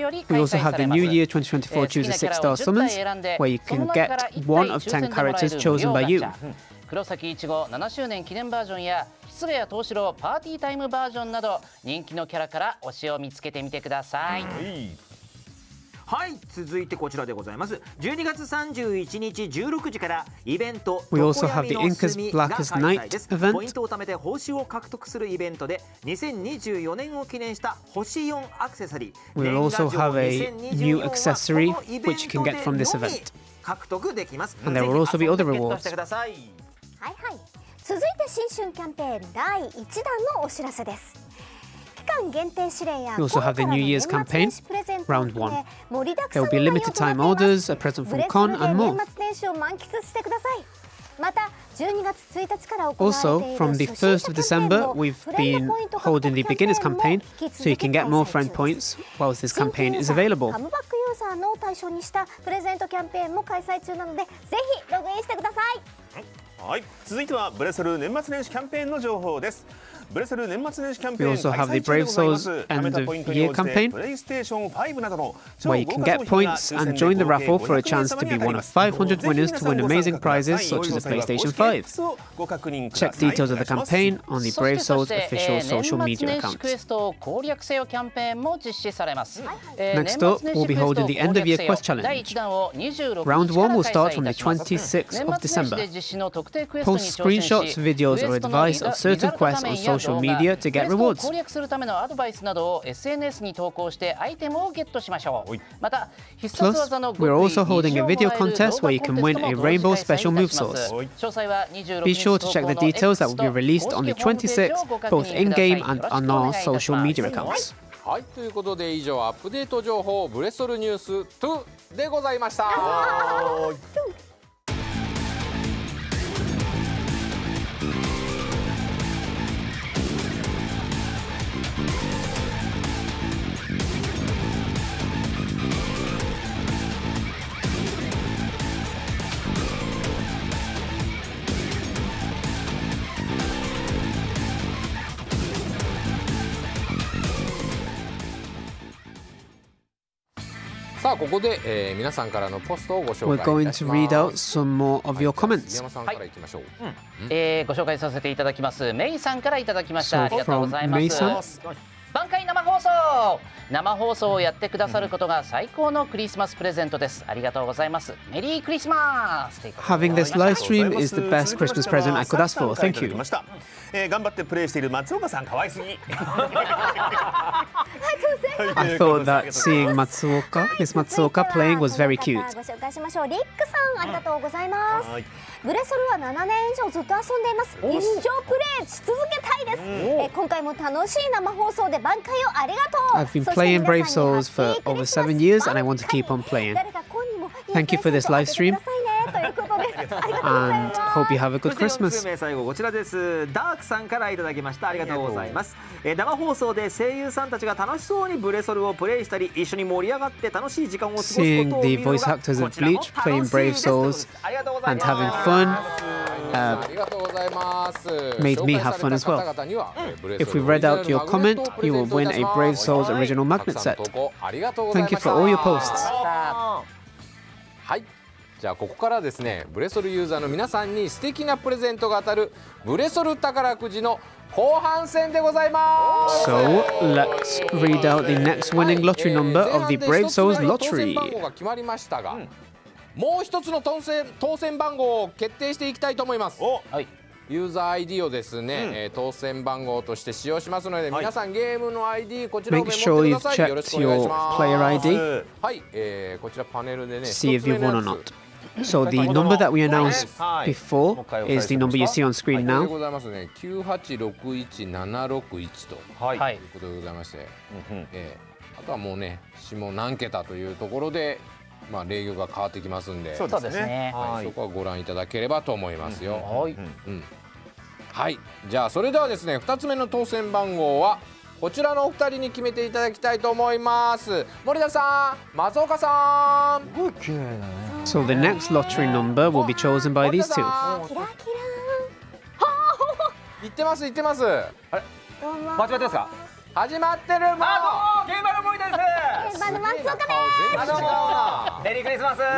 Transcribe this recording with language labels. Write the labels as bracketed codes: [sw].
[en] We also have the New Year 2024 choose a 6-star summons, where you can get one of 10 characters chosen by you. [ja] 黒崎いちご7周年記念バージョンや筆谷藤四郎パーティータイムバージョンなど人気のキャラから推しを見つけてみてください。はい、続いてこちらでございます。 12月31日16時からイベント [en] We also have the Inca's Blackest Night event. [ja] ポイントを貯めて報酬を獲得するイベントで2024年を記念した星4アクセサリー [en] We'll also have a new accessory which you can get from this event [ja] 獲得できます。 [en] And there will also be other rewards。 [ja] はいはい、続いて新春キャンペーン第1弾のお知らせです。期間限定指令や今からの年末年始プレゼントで盛りだくさんの内容となっています。 [en] There will be limited time orders, a present from Con, and more. [ja] ブレスで年末年始を満喫してください。また12月1日から行われている [en] Also, from the 1st of December, we've been holding the beginner's campaign so you can get more friend points while this campaign is available. [ja] 新規ユーザー、カムバックユーザーの対象にしたプレゼントキャンペーンも開催中なのでぜひログインしてください。はい、続いてはブレソル年末年始キャンペーンの情報です。ブレソル年末年始キャンペーン [en] We also have the Brave Souls End of Year campaign where you can get points and join the raffle for a chance to be one of 500 winners to win amazing prizes such as a PlayStation 5. Check details of the campaign on the Brave Souls official social media accounts. Next up, we'll be holding the End of Year Quest Challenge. Round 1 will start from the 26th of December. Post screenshots, videos or advice of certain quests on social media Media to get rewards. [ja] クエストを攻略するためのアドバイスなどを SNS に投稿してアイテムをゲットしましょう。また必殺技の極意を [en] also holding a video contest where you can win a rainbow special move source. [ja] 詳細は26日の [en] Be sure to check the details that will be released on the 26th, both in-game and on our social media accounts. [ja] はい、ということで以上アップデート情報ブレソルニュース2でございました。さあここで、皆さんからのポストをご紹介いたします。 [en] We're going to read out some more of your comments. [ja] 杉山さんからいきましょう、はい、ご紹介させていただきます。メイさんからいただきました。ありがとうございます。挽回生放送、生放送をやってくださることが最高のクリスマスプレゼントです。ありがとうございます。メリークリスマス。 [en] Having this live stream is the best Christmas present I could ask for. Thank you. [ja] 頑張ってプレイしている松岡さん、かわいすぎ。 [en] I thought that seeing Matsuoka, Miss Matsuoka playing was very cute. [ja] ご紹介しましょう。リックさん、ありがとうございます。ブレソルは7年以上ずっと遊んでいます。一生プレイし続けたいです。今回も楽しい生放送で挽回をありがとう。 [en] I've been playing Brave Souls for over 7 years and I want to keep on playing. Thank you for this live stream. And hope you have a good Christmas. [ja] 最後こちらです。ダークさんからいただきました。ありがとうございます。生放送で声優さんたちが楽しそうにブレソルをプレイしたり一緒に盛り上がって楽しい時間を過ごすことを見るのがこちらも楽しいです。ありがとうございます。ありがとうございます。 [en] made me have fun as well. If we read out your comment, you will win a Brave Souls original magnet set. Thank you for all your posts. [ja] はい、じゃあここからですね、ブレソルユーザーの皆さんに素敵なプレゼントが当たるブレソル宝くじの後半戦でございます。 [en] So let's read out the next winning lottery number of the Brave Souls Lottery. [ja] 前半で一つの当選番号が決まりましたが、もう一つの当選番号を決定していきたいと思います。ユーザー ID をですね、当選番号として使用しますので、皆さんゲームの ID こちらを持ってください。よろしくお願いします。 [en] Make sure you've checked your player ID. [ja] はい、こちらパネルでね、 [en] See if you won or not. So the number that we announced before is the number you see on screen now. [ja] でございますね、9861761ということでございまして、あとはもうね、下何桁というところで、まあ礼儀が変わってきますんで、そうですね、はい、そこはご覧いただければと思いますよ。はい、はい、じゃあそれではですね、2つ目の当選番号はこちらのお二人に決めていただきたいと思います。森田さん、松岡さん、すごい綺麗だね。 [en] So the next lottery number will be chosen by these two. [ja] キラキラ。行ってます行ってます。あれ始まってるもん。現場の森田です。現場の松岡です。メリークリスマス。